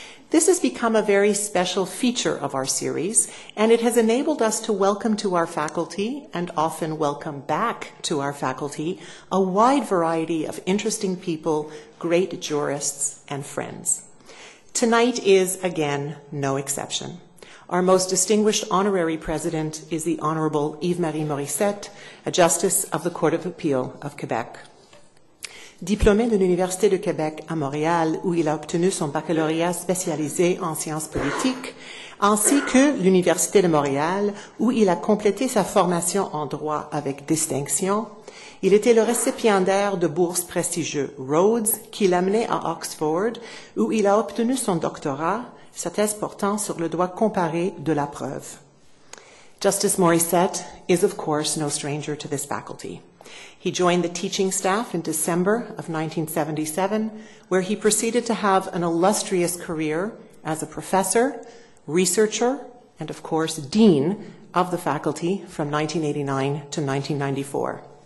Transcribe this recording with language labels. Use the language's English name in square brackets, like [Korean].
[English] This has become a very special feature of our series, and it has enabled us to welcome to our faculty, and often welcome back to our faculty, a wide variety of interesting people, great jurists, and friends. Tonight is, again, no exception. Our most distinguished honorary president is the Honorable Yves-Marie Morissette, a Justice of the Court of Appeal of Quebec. [French] Diplômé de l'Université de Québec à Montréal, où il a obtenu son baccalauréat spécialisé en sciences politiques, ainsi que l'Université de Montréal, où il a complété sa formation en droit avec distinction, il était le récipiendaire de bourses prestigieuses Rhodes, qui l'amenait à Oxford, où il a obtenu son doctorat, sa thèse portant sur le droit comparé de la preuve. [English] Justice Morissette is, of course, no stranger to this faculty. He joined the teaching staff in December of 1977, where he proceeded to have an illustrious career as a professor, researcher, and, of course, dean of the faculty from 1989 to 1994.